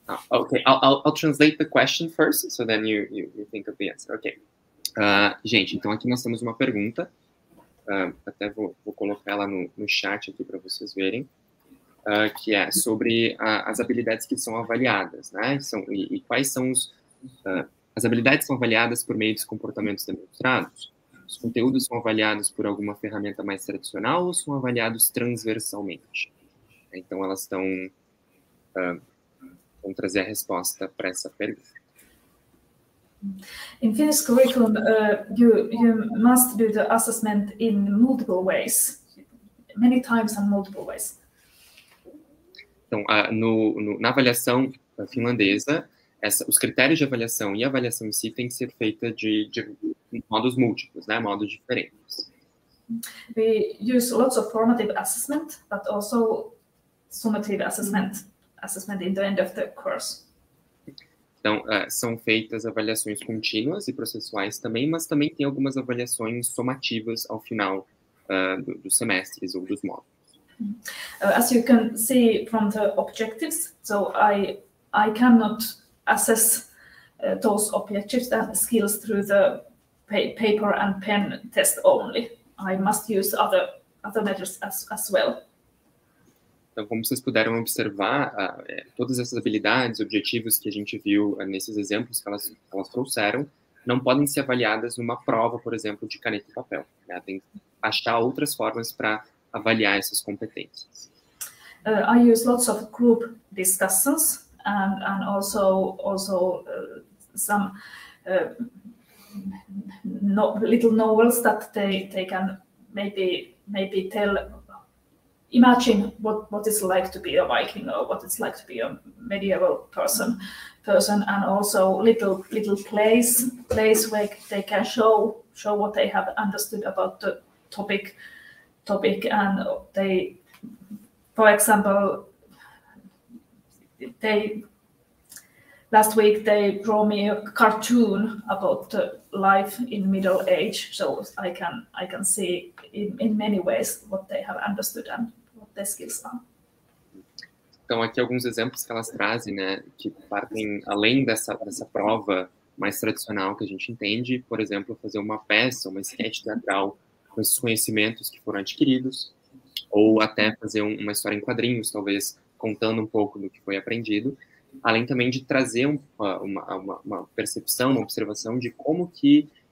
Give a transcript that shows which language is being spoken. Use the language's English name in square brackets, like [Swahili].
[English] Okay, I'll translate the question first, so then you think of the answer. Okay. [Portuguese] Gente, então aqui nós temos uma pergunta, até vou colocar ela no chat aqui para vocês verem, que é sobre as habilidades que são avaliadas, né? E quais são as habilidades são avaliadas por meio dos comportamentos demonstrados? Os conteúdos são avaliados por alguma ferramenta mais tradicional ou são avaliados transversalmente? Então elas estão... Vamos trazer a resposta para essa pergunta. [English] In Finnish curriculum, you must do the assessment in multiple ways, many times and multiple ways. [Portuguese] Então, na avaliação finlandesa, os critérios de avaliação e a avaliação em si têm que ser feita de modos múltiplos, né? Modos diferentes. [English] We use lots of formative assessment, but also summative assessment. Assessment in the end of the course. [Portuguese] Então, são feitas avaliações contínuas e processuais também, mas também tem algumas avaliações somativas ao final dos semestres ou dos módulos. [English] As you can see from the objectives, so I cannot assess those objectives and skills through the paper and pen test only. I must use other measures as well. [Portuguese] Então, como vocês puderam observar, todas essas habilidades, objetivos que a gente viu nesses exemplos que elas trouxeram, não podem ser avaliadas numa prova, por exemplo, de caneta e papel. Né? Tem que achar outras formas para avaliar essas competências. [English] I use lots of group discussions and also some no, little novels that they can maybe tell. Imagine what it's like to be a Viking or what it's like to be a medieval person, and also little plays where they can show what they have understood about the topic, and they, for example, they last week they drew me a cartoon about the life in middle age, so I can see in many ways what they have understood and. [Portuguese] Então, aqui alguns exemplos que elas trazem, né, que partem além dessa prova mais tradicional que a gente entende, por exemplo, fazer uma peça, uma esquete teatral com esses conhecimentos que foram adquiridos, ou até fazer uma história em quadrinhos, talvez contando um pouco do que foi aprendido, além também de trazer uma percepção, uma observação de como que...